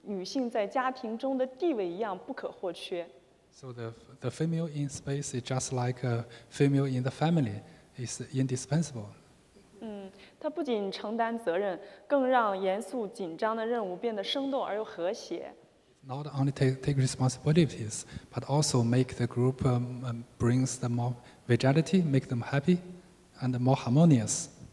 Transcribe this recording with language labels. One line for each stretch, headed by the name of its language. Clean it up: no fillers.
Chinese: 我觉得女性航天员上天的意义就像女性在家庭中的地位一样不可或缺。
English: So the female in space is just like a female in the family, is indispensable.
Chinese: 它不仅承担责任，更让严肃紧张的任务变得生动而又和谐。
English: Not only take responsibilities, but also make the group brings them more vitality, make them happy, and more harmonious.